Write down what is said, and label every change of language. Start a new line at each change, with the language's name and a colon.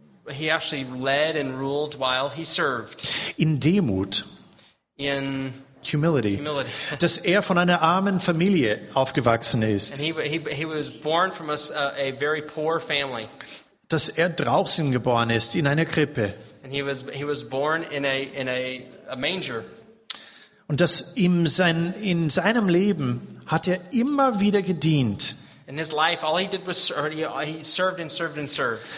English: He actually led and ruled while he served.
German: In Demut.
English: In humility. Humility.
German: Dass er von einer armen Familie aufgewachsen ist.
English: And he was born from a very poor family.
German: Dass er draußen geboren ist, in einer Krippe.
English: And he was born in a manger.
German: Und dass in seinem Leben hat er immer wieder gedient.
English: In his life, all he did was he served.